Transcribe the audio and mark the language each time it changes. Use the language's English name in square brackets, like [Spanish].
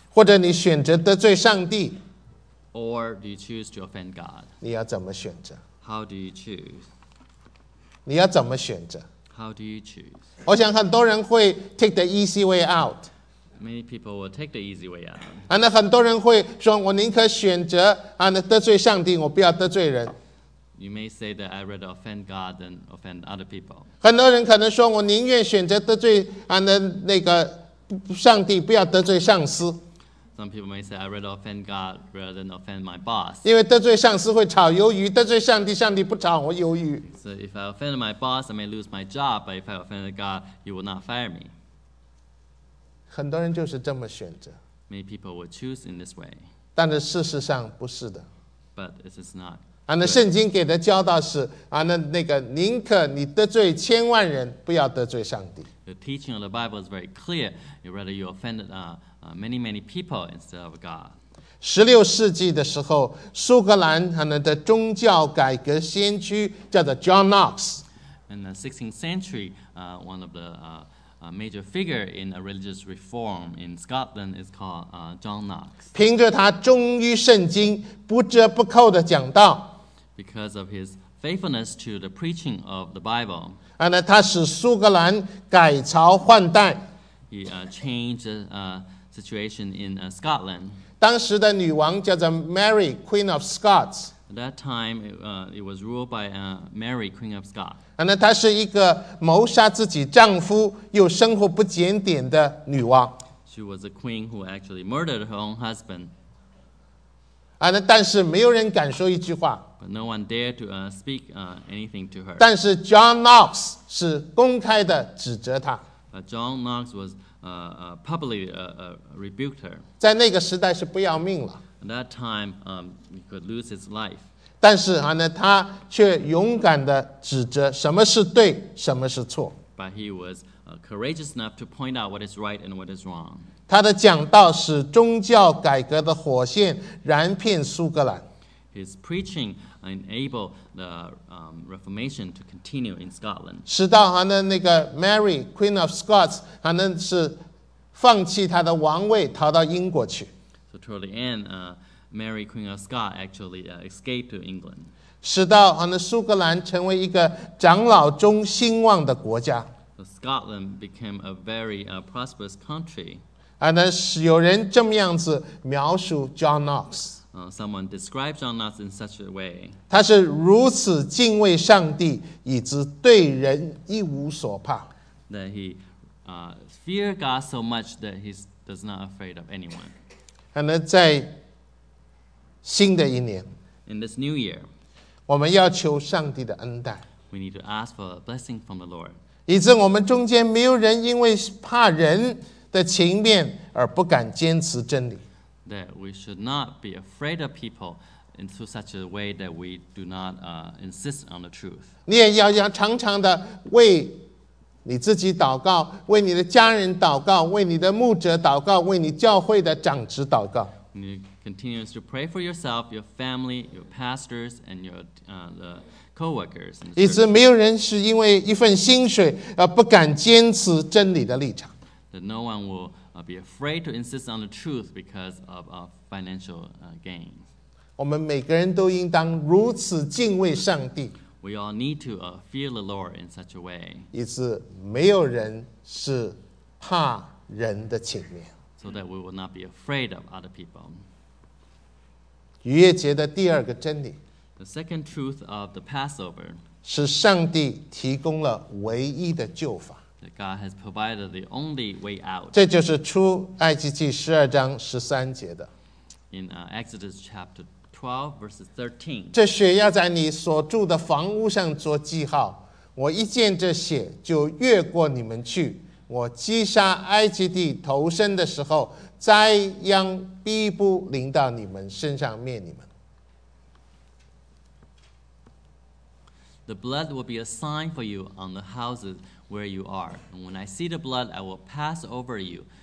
[Chinese] 或者你选择得罪上帝 [English] ，or do you choose to offend God？ [Chinese] 你要怎么选择 [English] ？How do you choose？ [Chinese] 你要怎么选择 [English] ？How do you choose？ [Chinese] 我想很多人会 [English] take the easy way out。 Many people will take the easy way out. [Chinese] 那很多人会说，我宁可选择得罪上帝，我不要得罪人。 [English] You may say that I'd rather offend God than offend other people. [Chinese] 很多人可能说，我宁愿选择得罪那个上帝，不要得罪上司。 [English] Some people may say I'd rather offend God rather than offend my boss. [Chinese] 因为得罪上司会炒鱿鱼，得罪上帝，上帝不炒我鱿鱼。 [English] So if I offend my boss, I may lose my job. But if I offend God, He will not fire me. [Chinese] 很多人就是这么选择。 [English] Many people will choose in this way. [Chinese] 但是事实上不是的。 [English] But it is not. [Chinese] 那圣经给的教导是那个宁可你得罪千万人，不要得罪上帝。 [English] The teaching of the Bible is very clear. You rather you offend many people instead of God. [Chinese] 十六世纪的时候，苏格兰的宗教改革先驱叫做 John Knox. [English] In the 16th century, one of the A major figure in a religious reform in Scotland is called John Knox. [Chinese] 凭着他忠于圣经、不折不扣的讲道 [English] ，because of his faithfulness to the preaching of the Bible, [Chinese] 他使苏格兰改朝换代。 [English] He changed the situation in Scotland. [Chinese] 当时的女王叫做 Mary, Queen of Scots. [English] At that time, it was ruled by Mary, Queen of Scots. [Chinese] 那她是一个谋杀自己丈夫又生活不检点的女王。 [English] She was a queen who actually murdered her own husband. [Chinese] 但是没有人敢说一句话。 [English] But no one dared to speak anything to her. [Chinese] 但是 John Knox 是公开的指责她。 [English] John Knox was publicly rebuked her. [Chinese] 在那个时代是不要命了。 [English] At that time, he could lose his life. [Chinese] 但是他却勇敢地指责什么是对，什么是错。 [English] But he was courageous enough to point out what is right and what is wrong. [Chinese] 他的讲道使宗教改革的火线燃遍苏格兰。 [English] His preaching enabled the Reformation to continue in Scotland. [Chinese] 使到他的那个 Mary, Queen of Scots, 他们是放弃他的王位，逃到英国去。 [English] So toward the end, Mary, Queen of Scots, actually escaped to England. [Chinese] 使到他的苏格兰成为一个长老中兴旺的国家。 [English] So Scotland became a very prosperous country. [Chinese] 使有人这么样子描述 John Knox。 [English] Someone describes John Knox in such a way. [Chinese] 他是如此敬畏上帝，以致对人一无所怕。 [English] That he feared God so much that he does not afraid of anyone. [Chinese] 在新的一年 [English] ，In this new year, [Chinese] 我们要求上帝的恩待。 [English] We need to ask for a blessing from the Lord. [Chinese] 以致我们中间没有人因为怕人的情面而不敢坚持真理。 [English] That we should not be afraid of people in such a way that we do not insist on the truth. [Chinese] 你也要常常的为你自己祷告，为你的家人祷告，为你的牧者祷告，为你教会的长职祷告。 [English] You continue to pray for yourself, your family, your pastors, and your co-workers. [Chinese] 以致没有人是因为一份薪水而不敢坚持真理的立场。 [English] That no one will be afraid to insist on the truth because of our financial gains. [Chinese] 我们每个人都应当如此敬畏上帝。 [English] We all need to fear the Lord in such a way. [Chinese] 以致没有人是怕人的情面。 [English] So that we will not be afraid of other people. [Chinese] 逾越节的第二个真理。 [English] The second truth of the Passover. [Chinese] 是上帝提供了唯一的救法。 [English] That God has provided the only way out. [Chinese] 这就是出埃及记十二章十三节的。 [English] In Exodus chapter 12, verses 13. [Chinese] 这血要在你所住的房屋上做记号。我一见这血，就越过你们去。我击杀埃及地头生的时候，灾殃必不临到你们身上灭你们。 [English] The blood will be a sign for you on the houses where you are. And when I see the blood, I will pass over you.